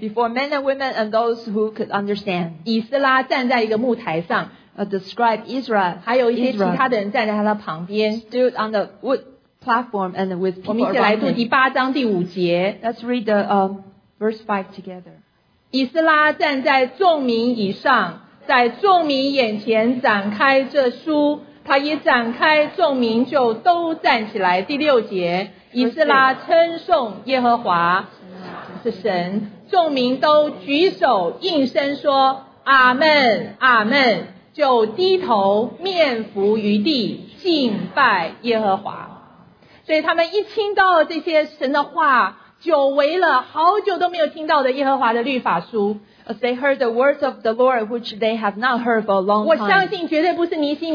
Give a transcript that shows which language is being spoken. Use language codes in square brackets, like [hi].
[en] Before men and women and those who could understand, [zh] 以斯拉站在一个木台上， [en] Describe Israel, [zh] 还有一些其他的人站在他的旁边， [en] Stood on the wood platform and with people around him. [zh] 我们一起来读第八章第五节。 [en] Let's read the verse 5 together. [zh] 以斯拉站在众民以上， 在众民眼前展开这书，他也展开众民就都站起来。第六节，以斯拉称颂耶和华是神，众民都举手应声说阿们阿们，就低头面伏于地敬拜耶和华。所以他们一听到这些神的话，久违了好久都没有听到的耶和华的律法书。 [en] As they heard the words of the Lord, which they have not heard for a long time.